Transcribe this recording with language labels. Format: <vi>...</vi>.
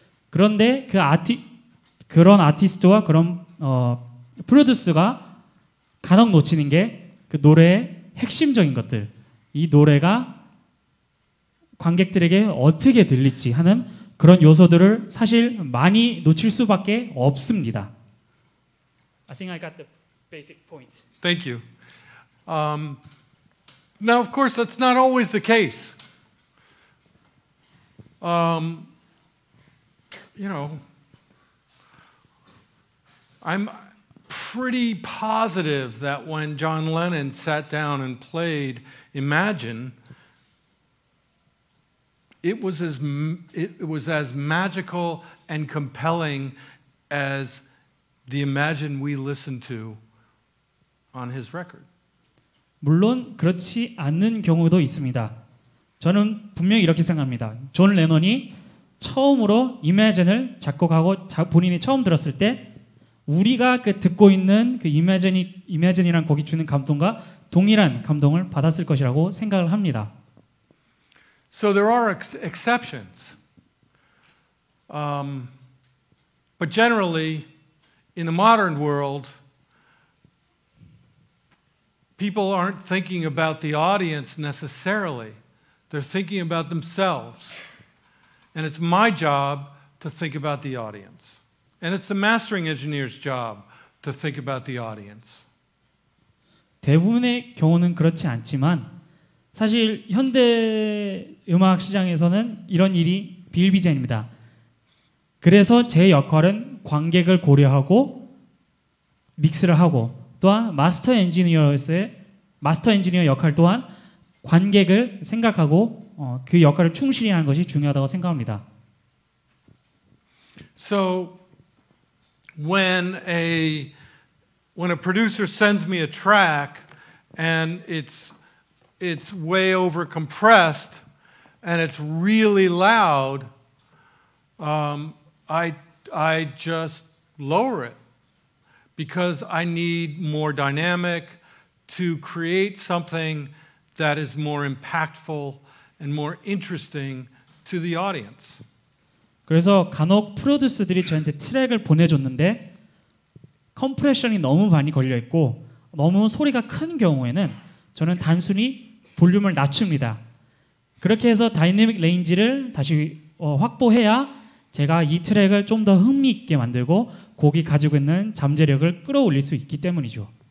<ko>그런데 그런 아티스트와 그런 프로듀스가 간혹 놓치는 게 그 노래의 핵심적인 것들. 이 노래가 관객들에게 어떻게 들릴지 하는 그런 요소들을 사실 많이 놓칠 수밖에 없습니다.</ko> <en>I think I got the basic points. Thank you. Now, of course, that's not always the case. You know, I'm pretty positive that when John Lennon sat down and played Imagine, it was as magical and compelling as the Imagine we listened to on his record.</en> <ko>물론 그렇지 않는 경우도 있습니다. 저는 분명히 이렇게 생각합니다. 존 레논이 처음으로 Imagine을 작곡하고 본인이 처음 들었을 때 우리가 그 듣고 있는 그 Imagine이란 곡이 주는 감동과 동일한 감동을 받았을 것이라고 생각을 합니다.</ko> <en>So there are exceptions. But generally, in the modern world, people aren't thinking about the audience necessarily. They're thinking about themselves. And it's my job to think about the audience. And it's the mastering engineer's job to think about the audience.</en> <ko>대부분의 경우는 그렇지 않지만 사실 현대 음악 시장에서는 이런 일이 비일비재입니다. 그래서 제 역할은 관객을 고려하고 믹스를 하고 또한 마스터 엔지니어로서의 마스터 엔지니어 역할 또한 관객을 생각하고 그 역할을 충실히 하는 것이 중요하다고 생각합니다.</ko> <en>So when a producer sends me a track and it's way over compressed and it's really loud, I just lower it because I need more dynamic to create something that is more impactful and more interesting to the audience.</en> <ko>그래서 간혹 프로듀서들이 저한테 트랙을 보내줬는데 컴프레션이 너무 많이 걸려 있고 너무 소리가 큰 경우에는 저는 단순히 볼륨을 낮춥니다. 그렇게 해서 다이내믹 레인지를 다시 확보해야 제가 이 트랙을 좀 더 흥미있게 만들고 곡이 가지고 있는 잠재력을 끌어올릴 수 있기 때문이죠.</ko>